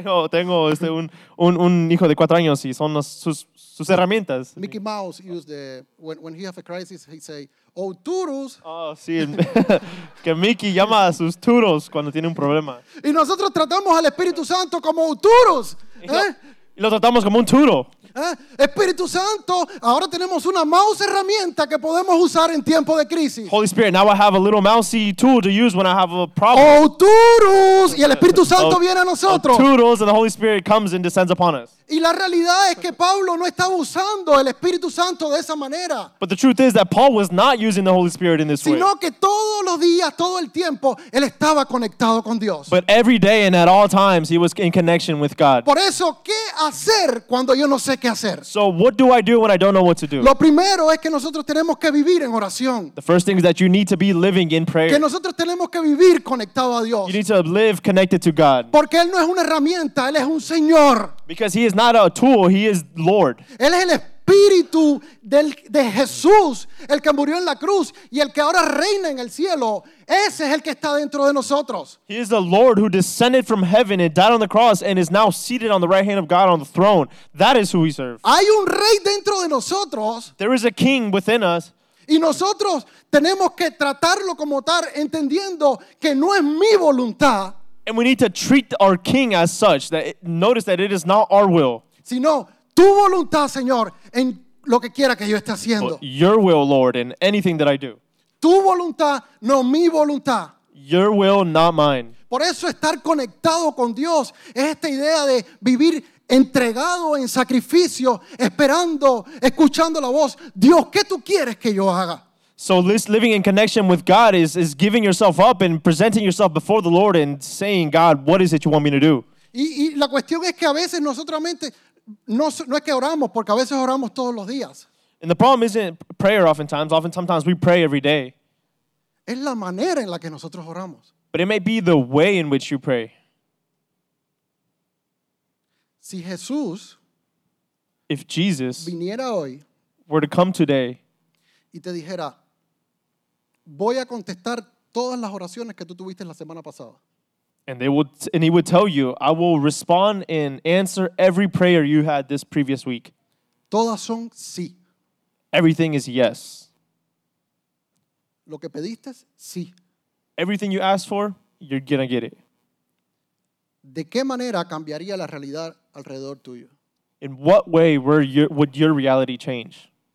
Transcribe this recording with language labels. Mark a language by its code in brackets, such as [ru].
[es] Tengo un hijo de 4 años y son sus herramientas. [en] Mickey Mouse used the, when he have a crisis, he say, oh, turos. [es] Oh, sí. Que Mickey llama a sus turos cuando tiene un problema. Y nosotros tratamos al Espíritu Santo como turos. Lo tratamos como un turo. Espíritu Santo, ahora tenemos una mouse herramienta que podemos usar en tiempo de crisis. [en] Holy Spirit, now I have a little mousey tool to use when I have a problem. [es] Oh, turos. Y el Espíritu Santo viene a nosotros. [en] Turos, and the Holy Spirit comes and descends upon us. [es] Y la realidad es que Pablo no estaba usando el Espíritu Santo de esa manera. [en] But the truth is that Paul was not using the Holy Spirit in this way. [es] Sino que todos los días, todo el tiempo, él estaba conectado con Dios. [en] But every day and at all times, he was in connection with God. [es] Por eso, ¿qué hacer cuando yo no sé qué hacer? [en] So what do I do when I don't know what to do? [es] Lo primero es que nosotros tenemos que vivir en oración. [en] The first thing is that you need to be living in prayer. [es] Que nosotros tenemos que vivir conectado a Dios. [en] You need to live connected to God. [es] Porque él no es una herramienta, él es un Señor. [en] Because he is not a tool, he is Lord. [es] Él es el espíritu de Jesús, el que murió en la cruz y el que ahora reina en el cielo. Ese es el que está dentro de nosotros. [en] He is the Lord who descended from heaven and died on the cross and is now seated on the right hand of God on the throne. That is who we serve. [es] Hay un rey dentro de nosotros. [en] There is a king within us. [es] Y nosotros tenemos que tratarlo como tal, entendiendo que no es mi voluntad. [en] And we need to treat our king as such. That it, notice that it is not our will. [es] Sino tu voluntad, Señor, en lo que quiera que yo esté haciendo. [en] But your will, Lord, in anything that I do. [es] Tu voluntad, no mi voluntad. [en] Your will, not mine. [es] Por eso estar conectado con Dios es esta idea de vivir entregado en sacrificio, esperando, escuchando la voz. Dios, ¿qué tú quieres que yo haga? [en] So living in connection with God is giving yourself up and presenting yourself before the Lord and saying, God, what is it you want me to do? [es] Y la cuestión es que a veces nosotros mente no es que oramos, porque a veces oramos todos los días. [en] And the problem isn't prayer oftentimes. Often sometimes we pray every day. [es] Es la manera en la que nosotros oramos. [en] But it may be the way in which you pray. [es] Si Jesús, [en] if Jesus [es] viniera hoy, [en] were to come today, [es] y te dijera, voy a contestar todas las oraciones que tú tuviste la semana pasada. [en] And he would tell you, I will respond and answer every prayer you had this previous week. [es] Todas son sí. [en] Everything is yes. [es] Lo que pediste, sí. [en] Everything you asked for, you're gonna get it. [es] ¿De qué manera cambiaría la realidad alrededor tuyo? [en] In what way would your reality change?